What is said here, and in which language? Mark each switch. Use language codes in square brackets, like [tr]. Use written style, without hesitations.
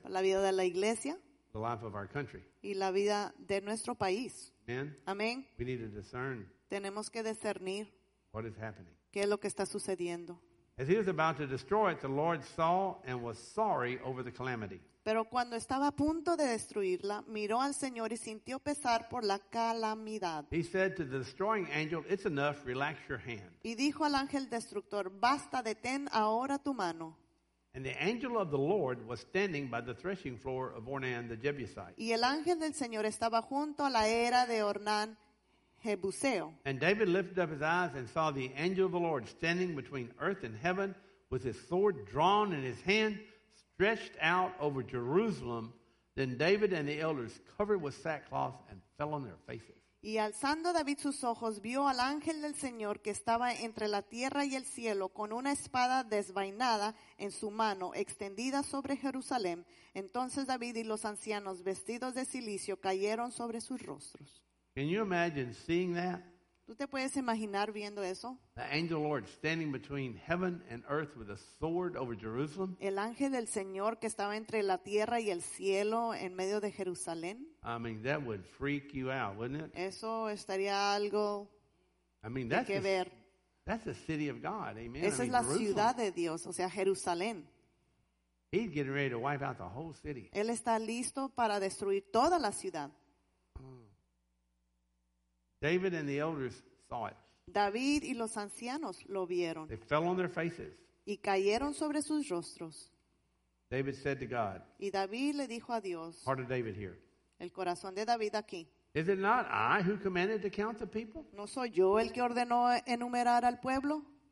[es] Para la vida de la iglesia. [en] The life of our country. [es] Y la vida de nuestro país. Amen. Amen. [en] We need to discern. [es] Tenemos que discernir. [en] What is happening? [es] ¿Qué es lo que está sucediendo? [en] As he was about to destroy it, the Lord saw and was sorry over the calamity. [es] Pero cuando estaba a punto de destruirla, miró al Señor y sintió pesar por la calamidad. [en] He said to the destroying angel, "It's enough. Relax your hand." [es] Y dijo al ángel destructor, "Basta, detén ahora tu mano." [en] And the angel of the Lord was standing by the threshing floor of Ornan the Jebusite. [es] Y el ángel del Señor estaba junto a la era de Ornan Jebuseo. [en] And David lifted up his eyes and saw the angel of the Lord standing between earth and heaven with his sword drawn in his hand stretched out over Jerusalem. Then David and the elders covered with sackcloth and fell on their faces. [es] Y alzando David sus ojos, vio al ángel del Señor que estaba entre la tierra y el cielo con una espada desvainada en su mano, extendida sobre Jerusalén. Entonces David y los ancianos vestidos de cilicio cayeron sobre sus rostros. [en] Can you imagine seeing that? [es] ¿Tú te puedes imaginar viendo eso? [en] The angel Lord standing between heaven and earth with a sword over Jerusalem. [es] El ángel del Señor que estaba entre la tierra y el cielo en medio de Jerusalén. [en] I mean, that would freak you out, wouldn't it? [es] Eso estaría algo [en] I mean, that's [es] de que ver. [en] That's the city of God, amen. [es] Esa es la ciudad de Dios, o sea, Jerusalén. [en] He's getting ready to wipe out the whole city. [es] Él está listo para destruir toda la ciudad. [en] David and the elders saw it. [es] David y los ancianos lo vieron. [en] They fell on their faces. [es] Y cayeron sobre sus rostros. [en] David said to God. [es] Y David le dijo a Dios. [en] Heart of David here. [es] El corazón de David aquí. [en] Is it not I who commanded to count the people? [es] ¿No soy yo el que ordenó enumerar al pueblo?